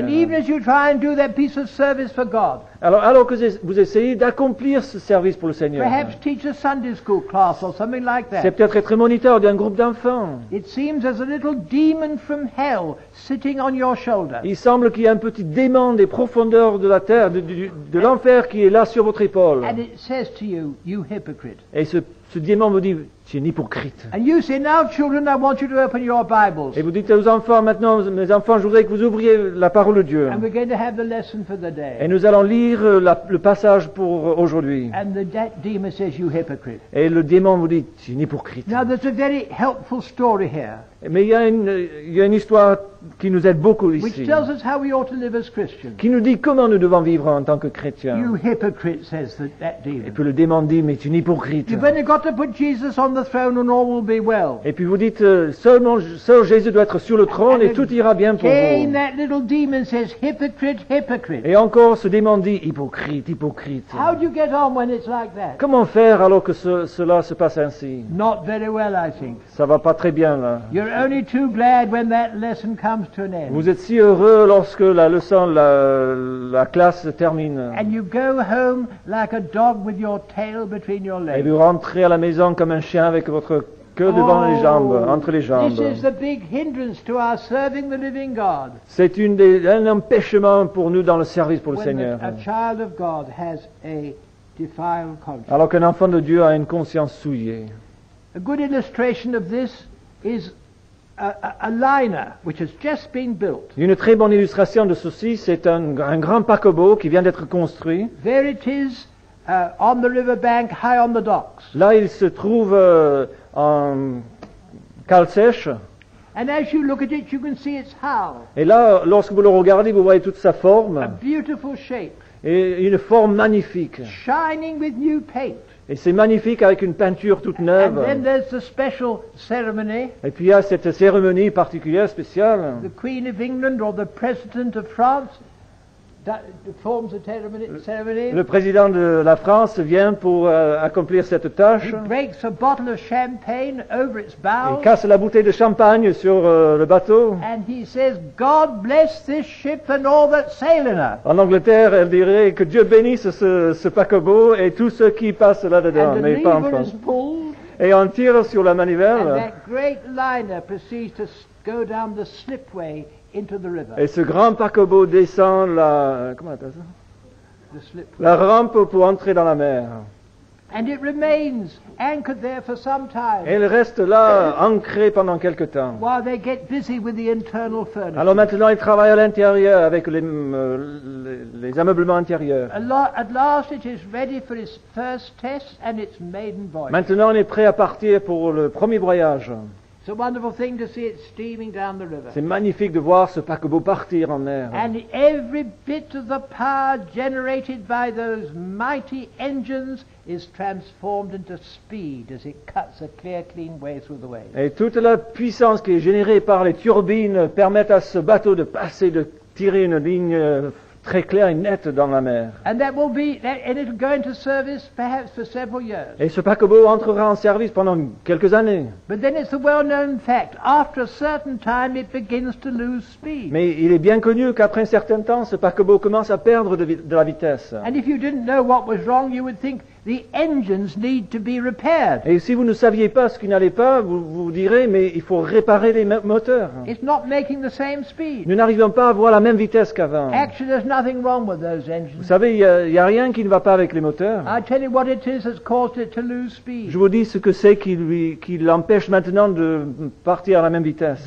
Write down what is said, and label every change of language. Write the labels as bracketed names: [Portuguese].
[English] And even as you try and do that piece of service for God. [French] Alors que vous essayez d'accomplir ce service pour le Seigneur. [English] Perhaps teach a Sunday school class or something like that. [French] C'est peut-être être moniteur d'un groupe d'enfants. [English] It seems there's a little demon from hell sitting on your shoulder. [French] Il semble qu'il y a un petit démon des profondeurs de la terre, de l'enfer qui est là sur votre épaule. [English] And it says to you, you hypocrite. [French] Et ce démon vous dit, tu es un hypocrite. [English] And you say, now children, I want you to open your Bibles. [French] Et vous dites aux enfants, maintenant, mes enfants, je voudrais que vous ouvriez la parole de Dieu. [English] And we're going to have the lesson for the day. [French] Et nous allons lire le passage pour aujourd'hui. [English] And the demon says, you hypocrite. [French] Et le démon vous dit, tu es un hypocrite. [English] Now, there's a very helpful story here. [French] Mais il y a une histoire qui nous aide beaucoup ici. [English] Which tells us how we ought to live as Christians. [French] Qui nous dit comment nous devons vivre en tant que chrétiens. [English] You hypocrite, says that demon. [French] Et puis le démon dit, mais tu es un hypocrite. [English] You've only got to put Jesus on the throne and all will be well. [French] Et puis vous dites, seul Jésus doit être sur le trône et tout ira bien pour vous. [English] Again, that little demon says, hypocrite, hypocrite. [French] Et encore ce démon dit, hypocrite, hypocrite. [English] How do you get on when it's like that? [French] Comment faire alors que cela se passe ainsi? [English] Not very well, I think. [French] Ça va pas très bien là. [English] You're only too glad when that lesson comes to an end. [French] Vous êtes si heureux lorsque la leçon, la classe termine. [English] And you go home like a dog with your tail between your legs. [French] Et vous rentrez à la maison comme un chien avec votre queue devant les jambes, entre les jambes. [English] This is the big hindrance to our serving the living God. [French] C'est un empêchement pour nous dans le service pour le Seigneur. [English] A child of God has a defiled conscience. [French] Alors qu'un enfant de Dieu a une conscience souillée. [English] A good illustration of this is a liner which has just been built. [French] Une très bonne illustration de ceci, c'est un grand paquebot qui vient d'être construit. [English] There it is, on the river bank, high on the docks. [French] Là, il se trouve en cale sèche. [English] And as you look at it, you can see its hull. [French] Et là, lorsque vous le regardez, vous voyez toute sa forme. [English] A beautiful shape. [French] et une forme magnifique. [English] Shining with new paint. [French] Et c'est magnifique avec une peinture toute neuve. [English] And then there's the special ceremony. [French] Et puis il y a cette cérémonie particulière, spéciale. [English] The Queen of England or the President of France. [French] Le président de la France vient pour accomplir cette tâche. [English] He breaks a bottle of champagne over its bow. [French] Il casse la bouteille de champagne sur le bateau. [English] And he says, God bless this ship and all that sail in her. [French] En Angleterre, elle dirait que Dieu bénisse ce paquebot et tous ceux qui passent là-dedans, mais pas en France. Et on tire sur la manivelle. [English] And that great liner proceeds to go down the slipway. Into the river. [French] Et ce grand paquebot descend la, comment ça? La rampe pour entrer dans la mer. [English] And it remains anchored there for some time. [French] Et il reste là, ancré pendant quelque temps. [English] While they get busy with the internal furniture. [French] Alors maintenant, ils travaillent à l'intérieur avec les ameublements intérieurs. [English] At last, it is ready for its first test and its maiden voyage. [French] Maintenant, il est prêt à partir pour le premier voyage. [English] It's a wonderful thing to see it steaming down the river. [French] C'est magnifique de voir ce paquebot partir en mer. [English] And every bit of the power generated by those mighty engines is transformed into speed as it cuts a clear, clean way through the waves. [French] Et toute la puissance qui est générée par les turbines permet à ce bateau de passer, de tirer une ligne très claire et nette dans la mer. [English] And that will be, and it'll go into service perhaps for several years. [French] Et ce paquebot entrera en service pendant quelques années. [English] But then it's a well-known fact. After a certain time, it begins to lose speed. [French] Mais il est bien connu qu'après un certain temps, ce paquebot commence à perdre de la vitesse. [English] And if you didn't know what was wrong, you would think the engines need to be repaired. [French] Et si vous ne saviez pas ce qui n'allait pas, vous direz, mais il faut réparer les moteurs. [English] It's not making the same speed. [French] Nous n'arrivons pas à avoir la même vitesse qu'avant. [English] Actually, there's nothing wrong with those engines. [French] Vous savez, il n'y a rien qui ne va pas avec les moteurs. [English] I tell you what it is that's caused it to lose speed. [French] Je vous dis ce que c'est qui l'empêche maintenant de partir à la même vitesse.